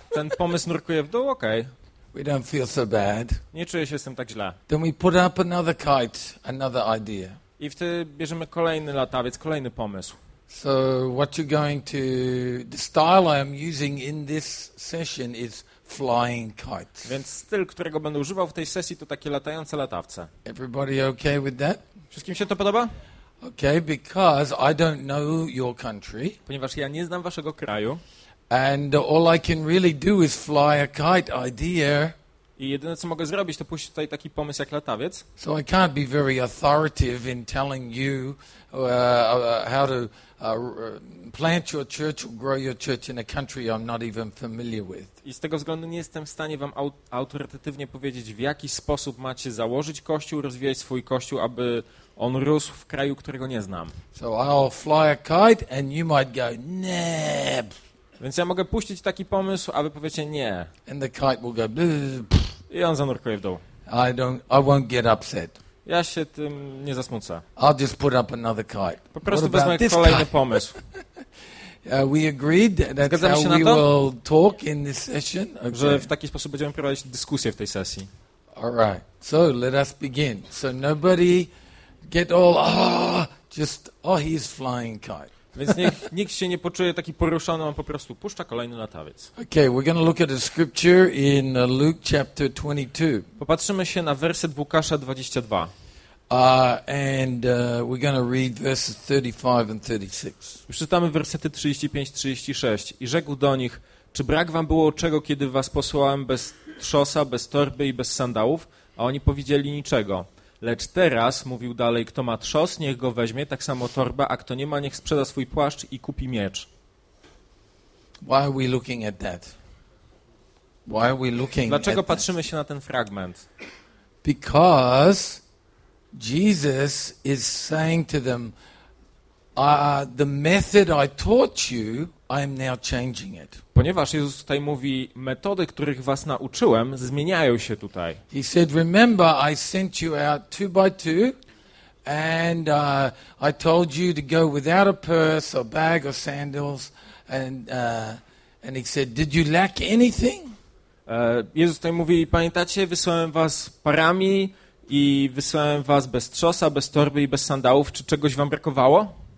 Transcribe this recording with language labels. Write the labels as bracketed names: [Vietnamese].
[Polish] ten pomysł nurkuje w dół, okej. [English] Okay. We don't feel so bad. [Polish] Nie czuję się z tym tak źle. [English] Then we put up another kite, another idea. [Polish] I wtedy bierzemy kolejny latawiec, kolejny pomysł. [English] So what you're going to, the style I am using in this session is flying kites. [Polish] Więc styl, którego będę używał w tej sesji, to takie latające latawce. [English] Everybody okay with that? [Polish] Wszystkim się to podoba? [English] Okay, because I don't know your country. [Polish] Ponieważ ja nie znam waszego kraju. [English] And all I can really do is fly a kite idea. [Polish] I jedyne co mogę zrobić, to puścić tutaj taki pomysł jak latawiec. [English] So I can't be very authoritative in telling you how to plant your church or grow your church in a country I'm not even familiar with. [Polish] I z tego względu nie jestem w stanie wam autorytatywnie powiedzieć, w jaki sposób macie założyć kościół, rozwijać swój kościół, aby on rósł w kraju, którego nie znam. [English] So I'll fly a kite and you might go, nah. [Polish] Więc ja mogę puścić taki pomysł, a wy powiecie nie. [English] And the kite will go, [Polish] i on zanurkuje w dół. [English] I won't get upset. [Polish] Ja się tym nie zasmucę. [English] I'll just put up another kite. [Polish] Po prostu wezmę kolejny pomysł. [English] We agreed that that's how we will talk in this session. Okay. [Polish] Że w taki sposób będziemy prowadzić dyskusję w tej sesji. [English] All right. So let us begin. So nobody get all he's flying kite. [Polish] Więc niech nikt się nie poczuje taki poruszony, on po prostu puszcza kolejny latawiec. [English] Okay, we're going to look at a scripture in Luke chapter 22. [Polish] Popatrzymy się na werset w Łukasza 22. [English] We're going to read verses 35 and 36. Już czytamy wersety 35-36. [Polish] I rzekł do nich, czy brak wam było czego, kiedy was posłałem bez trzosa, bez torby i bez sandałów? A oni powiedzieli niczego. Lecz teraz, mówił dalej, kto ma trzos, niech go weźmie, tak samo torba, a kto nie ma, niech sprzeda swój płaszcz i kupi miecz. [English] Why are we looking at that? Why are we looking [Polish] Dlaczego [English] at [Polish] patrzymy [English] that? [Polish] Się na ten fragment? [English] Because Jesus is saying to them, the method I taught you, I am now changing it. [Polish] Ponieważ Jezus tutaj mówi, metody, których was nauczyłem, zmieniają się tutaj. [English] He said, remember, I sent you out two by two, and I told you to go without a purse or bag or sandals, and he said, did you lack anything? [Polish] Jezus tutaj mówi, pamiętacie, wysłałem was parami i wysłałem was bez trzosa, bez torby i bez sandałów. Czy czegoś wam brakowało?